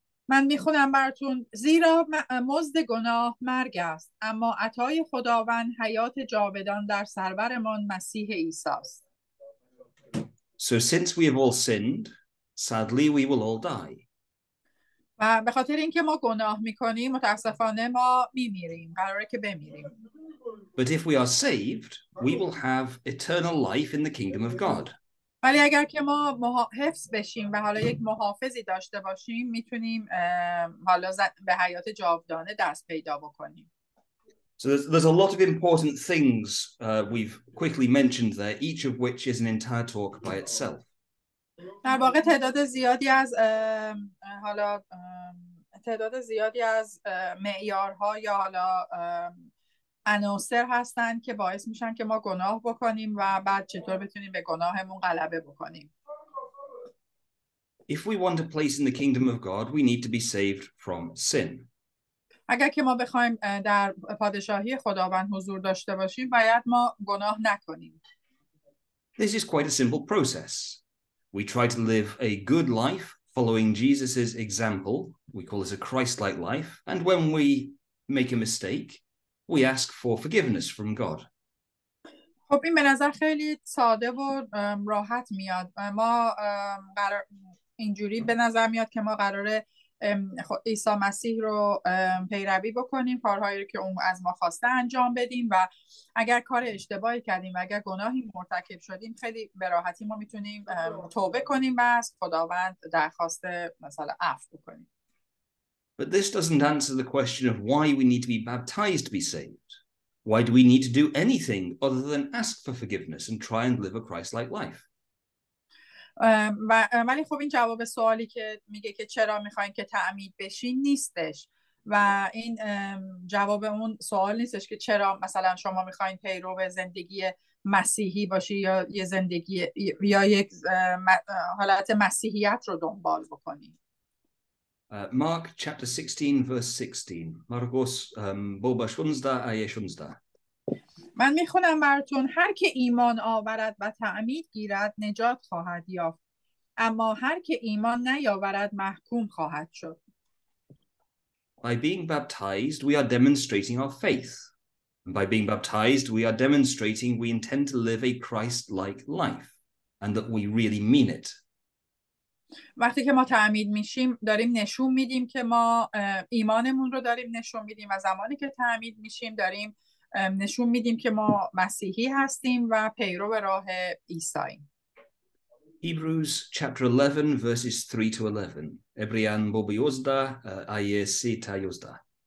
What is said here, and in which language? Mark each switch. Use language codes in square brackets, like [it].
[fa] من میخونم براتون: زیرا مزد گناه مرگ است، اما عطای خداوند حیات جاودان در سرورمان مسیح عیسی است. [en] So since we have all sinned, sadly we will all die. [fa] و به خاطر اینکه ما گناه میکنیم، متاسفانه ما میمیریم، قراره که بمیریم. [en] But if we are saved, we will have eternal life in the kingdom of God. [fa] ولی اگر که ما حفظ بشیم و حالا یک محافظی داشته باشیم، میتونیم حالا به حیات جاودانه دست پیدا بکنیم. [en] So there's a lot of important things we've quickly mentioned there, each of which is an entire talk by itself. [fa] در واقع تعداد زیادی از حالا تعداد زیادی از معیارها یا حالا عناصر هستن که باعث میشن که ما گناه بکنیم و بعد چطور بتونیم به گناهمون غلبه بکنیم. [en] If we want a place in the kingdom of God, we need to be saved from sin. [fa] اگر که ما بخوایم در پادشاهی خداوند حضور داشته باشیم، باید ما گناه نکنیم. [en] This is quite a simple process. We try to live a good life following Jesus's example. We call it a Christ-like life. And when we make a mistake, we ask for forgiveness from God. [fa] خب این به نظر خیلی ساده و راحت میاد. ما قرار اینجوری به نظر میاد که ما قراره عیسی مسیح رو پیروی بکنیم، کارهایی رو که اون از ما خواسته انجام بدیم، و اگر کار اشتباهی کردیم و اگر گناهی مرتکب شدیم، خیلی به راحتی ما میتونیم توبه کنیم و از خداوند درخواست مثلا عفو بکنیم. [en] But this doesn't answer the question of why we need to be baptized to be saved. Why do we need to do anything other than ask for forgiveness and try and live a Christ-like life? [fa] ولی خب این جواب سوالی که میگه که چرا میخواین که تعمید بشین نیستش، و این جواب اون سوال نیستش که چرا مثلا شما میخواین پیرو به زندگی مسیحی باشی یا یه زندگی یا یک حالت مسیحیت رو دنبال بکنی. [en] Mark chapter 16 verse 16. [fa] Marcos boba 16 aye 16. من میخونم براتون: هر که ایمان آورد و تعمید گیرد نجات خواهد یافت، اما هر که ایمان نیاورد محکوم خواهد شد. [en] By being baptized we are demonstrating our faith. And by being baptized we are demonstrating we intend to live a Christ-like life and that we really mean it. [fa] وقتی که ما تعمید میشیم داریم نشون میدیم که ما ایمانمون رو داریم نشون میدیم، و زمانی که تعمید میشیم داریم نشون میدیم که ما مسیحی هستیم و پیرو به راه عیسییم. [en] Hebrews chapter 11 verses 3 to 11. [fa] Ebrean bobi 11 ayet 3 ta 11.